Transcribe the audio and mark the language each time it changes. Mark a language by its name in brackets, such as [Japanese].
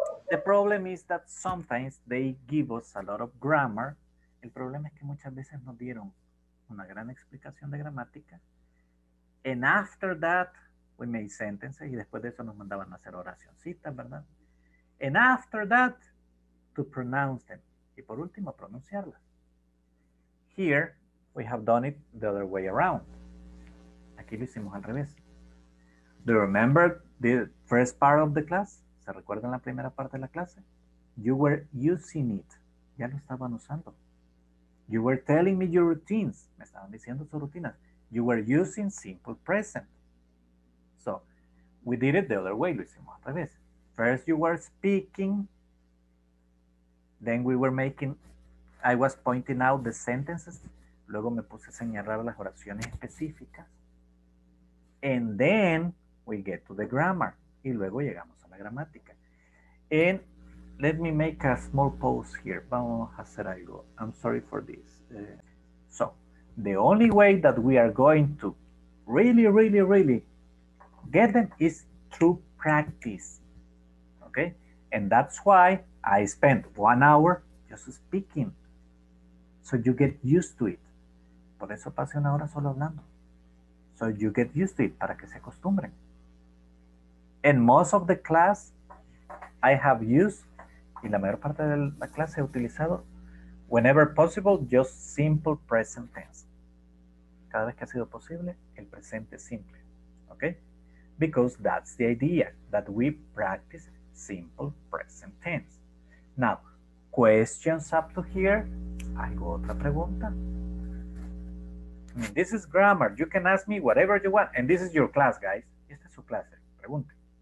[English] The problem is that sometimes they give us a lot of grammar. [Spanish] El problema es que muchas veces nos dieron una gran explicación de gramática. [English] And after that, we made sentences. [Spanish] Y después de eso nos mandaban a hacer oracioncitas, ¿verdad? [English] And after that, to pronounce them. [Spanish] Y por último, pronunciarlas. [English] Here, we have done it the other way around. [Spanish] Aquí lo hicimos al revés. [English] Do you remember the first part of the class? [Spanish] ¿Se recuerdan la primera parte de la clase? [English] You were using it. [Spanish] Ya lo estaban usando. [English] You were telling me your routines. [Spanish] Me estaban diciendo sus rutinas. [English] You were using simple present. So, we did it the other way. [Spanish] Lo hicimos otra vez. [English] First, you were speaking. Then we were making, I was pointing out the sentences. [Spanish] Luego me puse a señalar las oraciones específicas. [English] And then, we get to the grammar. [Spanish] Y luego llegamos a la gramática. [English] And let me make a small pause here. [Spanish] Vamos a hacer algo. [English] I'm sorry for this. So, the only way that we are going to really, really, really get them is through practice, okay? And that's why I spent 1 hour just speaking, so you get used to it. [Spanish] Por eso pasé una hora solo hablando. [English] So you get used to it, [Spanish] para que se acostumbren. [English] In most of the class, I have used, [Spanish] y la mayor parte de la clase he utilizado, [English] whenever possible, just simple present tense. [Spanish] Cada vez que ha sido posible, el presente simple, okay? [English] Because that's the idea, that we practice simple present tense. Now, questions up to here. [Spanish] ¿Algo otra pregunta? [English] I mean, this is grammar. You can ask me whatever you want. And this is your class, guys. [Spanish] Esta es su clase. Pregunte.